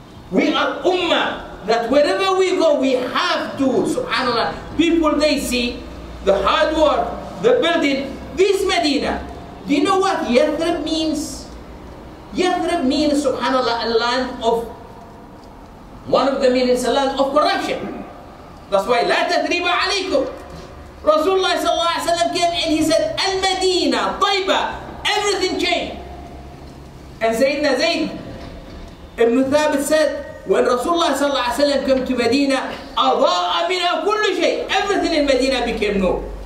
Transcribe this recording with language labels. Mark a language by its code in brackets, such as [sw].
[en] We are ummah that wherever we go, we have to, subhanAllah, people they see the hard work, the building, this Medina. Do you know what Yathrib means? Yathrib means, subhanAllah, a land of, one of the meanings, a land of corruption. That's why, [ar] لا تثريب عليكم. [en] Rasulullah sallallahu alayhi wa sallam came and he said, Al-Madina, Taiba, everything changed. And Sayyidina Zayd ibn Thabit said, when Rasulullah sallallahu alayhi wa sallam came to Medina, [ar] أَضَاءَ مِنَا كُلُّ شَيْءٍ. [en] Everything in Medina became new.